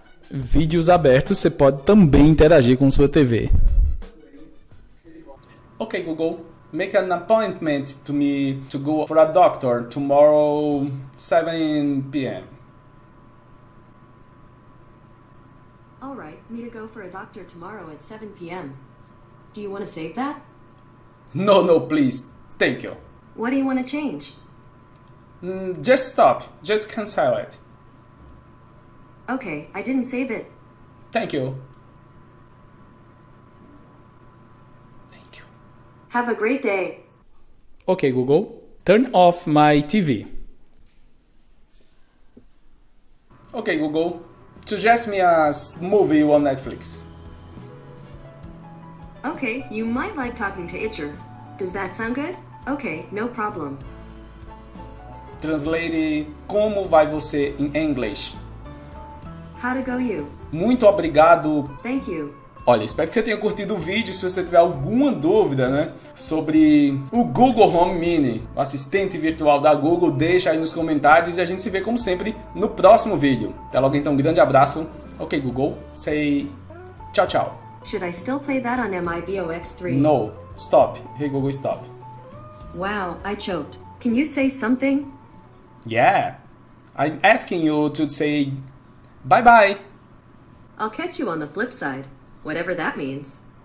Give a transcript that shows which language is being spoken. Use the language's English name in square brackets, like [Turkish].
[Portuguese] Vídeos abertos, você pode também interagir com sua TV. [English] Ok, Google. Make an appointment to me to go for a doctor tomorrow 7 PM. All right, me to go for a doctor tomorrow at 7 PM. Do you want to save that? No, please. Thank you. What do you want to change? Just stop. Just cancel it. Okay, I didn't save it. Thank you. Have a great day. Okay, Google. Turn off my TV. Okay, Google. Suggest me a movie on Netflix. Okay, you might like talking to Itcher. Does that sound good? Okay, no problem. Translate [Portuguese] como vai você em inglês. [English] How to go you? [Portuguese] Muito obrigado. [English] Thank you. [Portuguese] Olha, espero que você tenha curtido o vídeo. Se você tiver alguma dúvida, né, sobre o Google Home Mini, o assistente virtual da Google, deixa aí nos comentários e a gente se vê, como sempre, no próximo vídeo. Até logo então, um grande abraço. [English] Ok, Google, say [Portuguese] tchau, tchau. [English] Should I still play that on MIBOX3? No, stop. Hey, Google, stop. Wow, I choked. Can you say something? Yeah, I'm asking you to say bye-bye. I'll catch you on the flip side, whatever that means.